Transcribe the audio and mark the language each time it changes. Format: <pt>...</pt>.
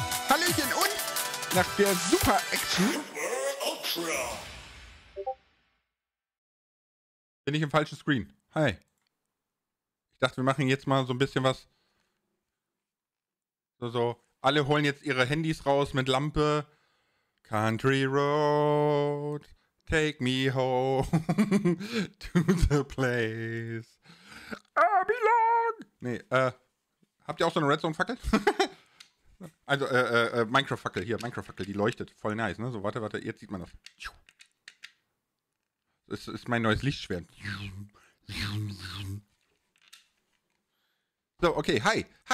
<de>Hallöchen und nach der Super-Action bin ich im falschen Screen. Hi. Ich dachte, wir machen jetzt mal so ein bisschen was. So. Alle holen jetzt ihre Handys raus mit Lampe.</de> <en>Country Road, take me home to the place I belong.</en> <de>Habt ihr auch so eine Redstone-Fackel? Also, Minecraft-Fackel, hier, Minecraft-Fackel, die leuchtet, voll nice, ne? So, warte, jetzt sieht man das. Das ist mein neues Lichtschwert. So, okay, hi.</de>